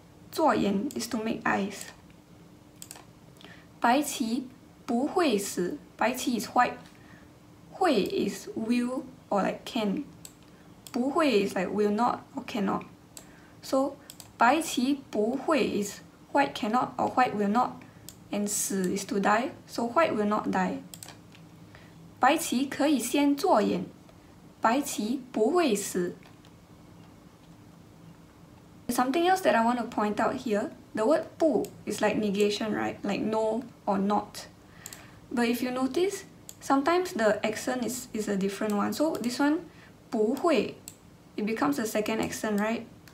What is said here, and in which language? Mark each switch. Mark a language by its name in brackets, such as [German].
[English] 做眼 is to make eyes. [Chinese] 白棋不会死, [English] 白棋 is white. 会 is will or like can. 不会 is like will not or cannot. So, [Chinese] 白棋不会 [English] is white cannot or white will not, and 死 is to die, so white will not die. [Chinese] 白棋可以先做眼，白棋不会死。 [English] Something else that I want to point out here, the word 不 is like negation, right? Like no or not. But if you notice, sometimes the accent is a different one. So this one, 不会, it becomes a second accent, right?